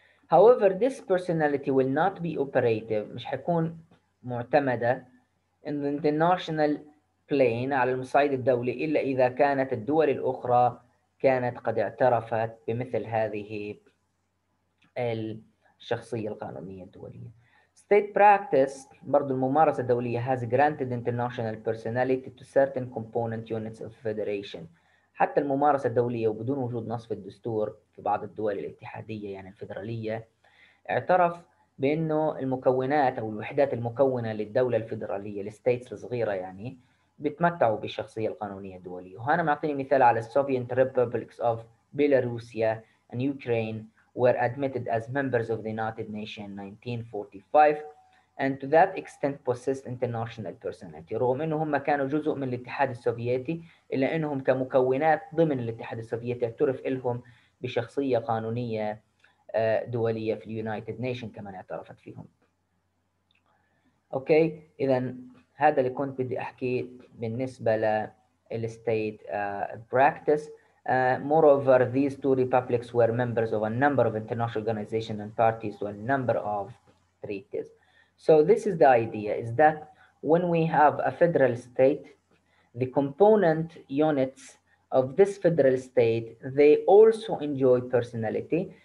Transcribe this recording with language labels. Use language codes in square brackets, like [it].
[en] However, this personality will not be operative, [ar] مش حيكون معتمدة [en] in the international plane [ar] على المصعيد الدولي إلا إذا كانت الدول الأخرى كانت قد اعترفت بمثل هذه الشخصية القانونية الدولية. [en] State practice, [ar] برضو الممارسة الدولية, [en] has granted international personality to certain component units of federation. [ar] حتى الممارسة الدولية وبدون وجود نص في الدستور في بعض الدول الاتحادية يعني الفيدرالية اعترف بأنه المكونات أو الوحدات المكونة للدولة الفيدرالية الستيتس الصغيرة يعني بتمتعوا بالشخصية القانونية الدولية. وهنا معطيني مثال على السوفيت ريبوبليكس أوف بيلاروسيا [en] and Ukraine were admitted as members of the United Nations in 1945 and to that extent possessed international personality. [ar] رغم أنه هم كانوا جزء من الاتحاد السوفيتي إلا أنهم كمكونات ضمن الاتحاد السوفيتي اعترف لهم بشخصية قانونية دولية في اليونايتد نيشن كمان اعترفت فيهم. اوكي اذا هذا اللي كنت بدي احكيه بالنسبة للستيت براكتس. [en] Moreover, these two republics were members of a number of international organizations and parties to a number of treaties. So this is the idea, is that when we have a federal state, the component units of this federal state, they also enjoy personality.